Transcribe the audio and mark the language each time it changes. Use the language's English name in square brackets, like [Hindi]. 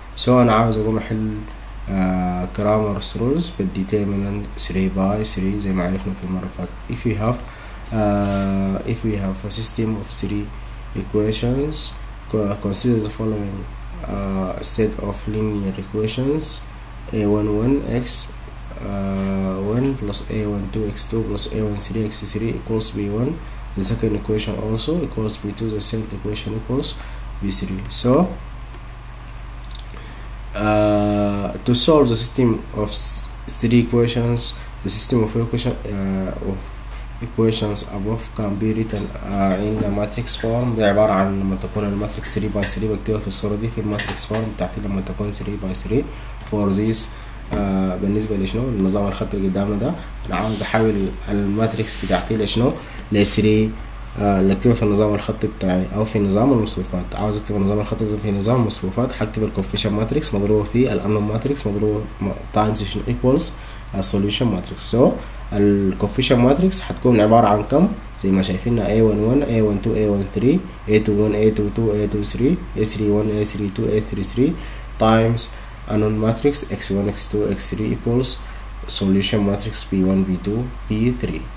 [Arabic] سو انا عاوز اقوم احل كرامرز رولز بالديترمينال 3 باي 3 زي ما عرفنا في المره اللي فاتت. [English] If we have a system of 3 equations, consider the following set of linear equations: a11x1 plus a12x2 plus a13x3 equals b1. The second equation also equals b2. The third equation equals b3. So to solve the system of three equations, the system of equation of equations above can be written in the matrix form. [Arabic] دي عبارة عن لما تكون الماتريكس 3 by 3 بكتبها في الصورة دي في الماتريكس فورم بتاعتي لما تكون 3 by 3 [English] for this [Arabic] بالنسبة لشنو؟ النظام الخط اللي قدامنا ده أنا عاوز أحول الماتريكس بتاعتي لشنو؟ ل 3 اللي أكتبها في النظام الخطي بتاعي أو في نظام المصفوفات. عاوز أكتب النظام الخطي في نظام المصفوفات، هكتب الكوفيشن ماتريكس مضروبة في الأنون ماتريكس مضروبة تايمز شنو إيكوالز السوليوشن ماتريكس. سو الكوفيشن ماتريكس هتكون عبارة عن كم؟ زي ما شايفين A11 A12 A13 A21 A22 A23 A31 A32 A33 تايمز [English] unknown matrix x1 x2 x3 equals solution matrix p1 p2 p3.